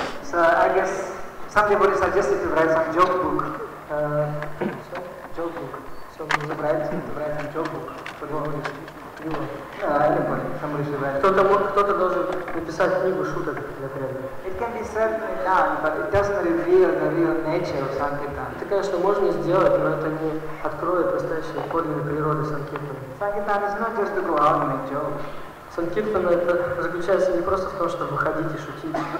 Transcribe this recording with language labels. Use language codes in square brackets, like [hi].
[en] So, I guess, somebody suggested to write some joke book. Joke book. [ru] Чтобы забрать [en] some joke book. [ru] Кто-то должен написать книгу шуток для преданных. [en] It can be certainly done, but it doesn't reveal the real nature of Sankirtan. [ru] Это, конечно, можно сделать, но это не откроет настоящие подлинные природы Санкиртана. [en] Sankirtan is not just to go out and make jokes. [ru] Санкиртан это заключается не просто в том, чтобы выходить и шутить.